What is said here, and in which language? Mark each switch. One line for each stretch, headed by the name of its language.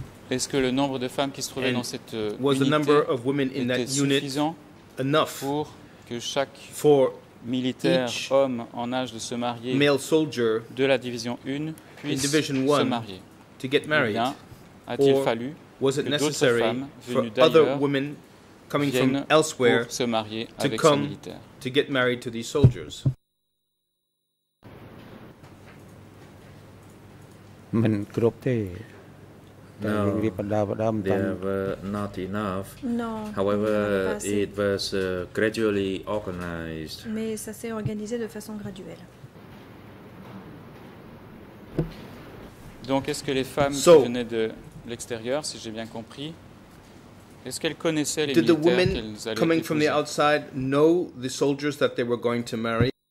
French: Est-ce que le nombre de femmes qui se trouvaient dans cette unité
English: was the number of women in that unit enough
French: pour que chaque militaire homme en âge de se marier
English: male soldier
French: de la division 1 puisse
English: division
French: se marier
English: to get married?
French: Bien, a-t-il fallu
English: was it
French: que
English: necessary
French: d'autres femmes venues d'ailleurs
English: elsewhere
French: pour se marier avec
English: to come
French: ce militaire
English: to get married to these soldiers? Mình group thế. No, there were not enough. No, however, it was gradually organized.
French: Mais ça s'est organisé de façon graduelle. Donc, est-ce que les femmes qui venaient de l'extérieur, si j'ai bien compris, est-ce qu'elles connaissaient les militaires qu'elles allaient épouser?
English: Did the women coming from the outside know the soldiers that they were going to marry?